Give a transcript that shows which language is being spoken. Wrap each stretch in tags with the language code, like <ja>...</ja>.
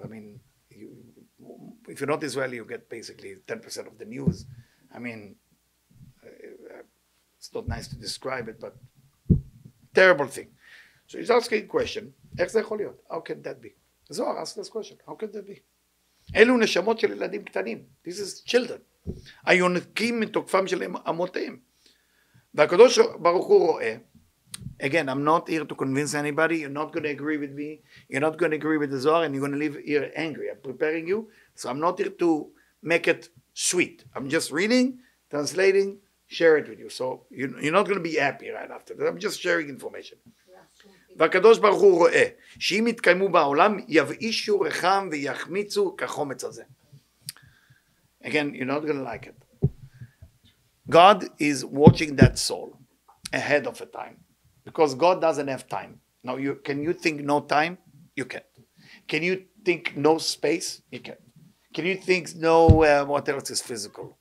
<en>I mean, if you're not Israeli, you get basically 10% of the news. I mean, it's not nice to describe it, but terrible thing. So he's asking a question. How can that be? Zohar asked this question. How can that be?</en> <he>אלו נשמות של ילדים קטנים.</he> <en>This is children.</en> <he>היונקים מתוקפם של אמותיהם. והקדוש ברוך הוא רואה,</he> <en>again, I'm not here to convince anybody, you're not going to agree with me, you're not going to agree with the Zohar, and you're going to leave here angry. I'm preparing you, so I'm not here to make it sweet. I'm just reading, translating, share it with you. So you're not going to be happy right after that. I'm just sharing information.</en> <he>והקדוש ברוך הוא רואה שאם יתקיימו בעולם יבאישו רחם ויחמיצו כחומץ הזה.</he> <en>Again, you're not going to like it. God is watching that soul ahead of a time. Because God doesn't have time. Now, can you think no time? You can't. Can you think no space? You can't. Can you think no, what else is physical?</en>